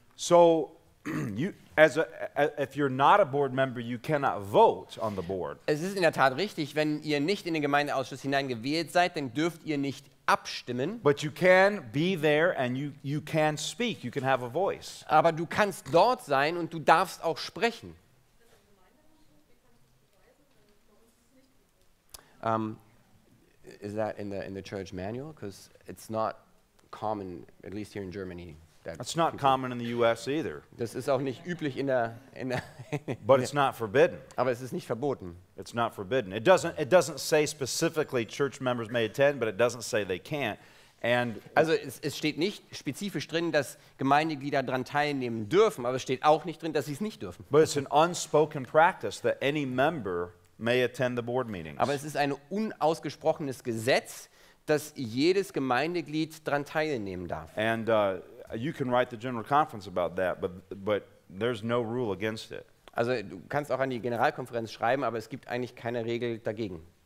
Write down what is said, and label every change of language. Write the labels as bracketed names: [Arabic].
[English] So you, as a, if you're not a board member, you cannot vote on the board. [German] Es ist in der Tat richtig, wenn ihr nicht in den Gemeindeausschuss hineingewählt seid, dann dürft ihr nicht abstimmen. [English] But you can be there and you can speak. You can have a voice. [German] Aber du kannst dort sein und du darfst auch sprechen. [English] Is that in the church manual? Because it's not common, at least here in Germany. That's not common in the U.S. either. [German] Das ist auch nicht üblich in der. [English] But it's not forbidden. [German] Aber es ist nicht verboten. [English] It's not forbidden. It doesn't say specifically church members may attend, but it doesn't say they can't. And [German] also es steht nicht spezifisch drin, dass Gemeindeglieder daran teilnehmen dürfen, aber es steht auch nicht drin, dass sie es nicht dürfen. [English] But it's an unspoken practice that any member may attend the board meetings. [German] Aber es ist ein unausgesprochenes Gesetz, dass jedes Gemeindeglied daran teilnehmen darf. [English] And you can write the general conference about that, but there's no rule against it. [German] Also du kannst auch an die Generalkonferenz schreiben, aber es gibt eigentlich keine Regel dagegen.